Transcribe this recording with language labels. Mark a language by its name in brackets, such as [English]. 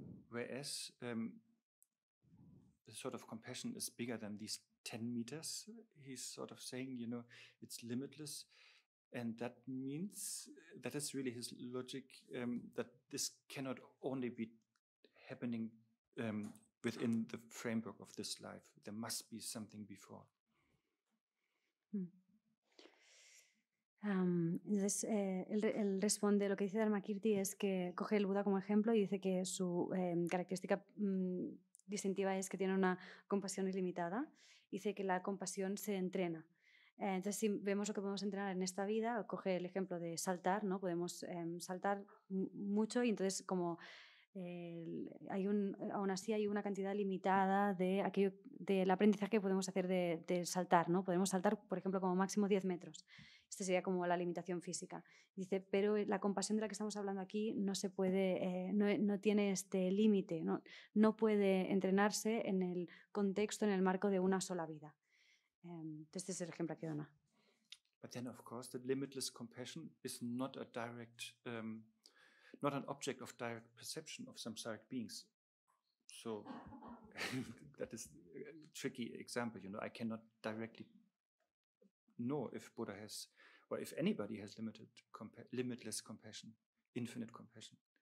[English] Whereas the sort of compassion is bigger than these 10 meters, he's sort of saying, you know, it's limitless. And that means, that is really his logic, that this cannot only be happening within the framework of this life. There must be something before. [Spanish] Entonces él responde, lo que dice Dharmakirti es que coge el Buda como ejemplo y dice que su característica distintiva es que tiene una compasión ilimitada. Dice que la compasión se entrena. Entonces si vemos lo que podemos entrenar en esta vida, coge el ejemplo de saltar, ¿no? Podemos saltar mucho y entonces como aún así hay una cantidad limitada de aquello del aprendizaje que podemos hacer de saltar, ¿no? Podemos saltar, por ejemplo, como máximo 10 metros. Esta sería como la limitación física. Dice, pero la compasión de la que estamos hablando aquí no se puede, no tiene este límite, no puede entrenarse en el contexto, en el marco de una sola vida. Este es el ejemplo que dona. [English] But then, of course, the limitless compassion is not a direct, not an object of direct perception of samsaric beings. So that is a tricky example. You know, I cannot directly know if Buddha has, or if anybody has limitless compassion, infinite compassion.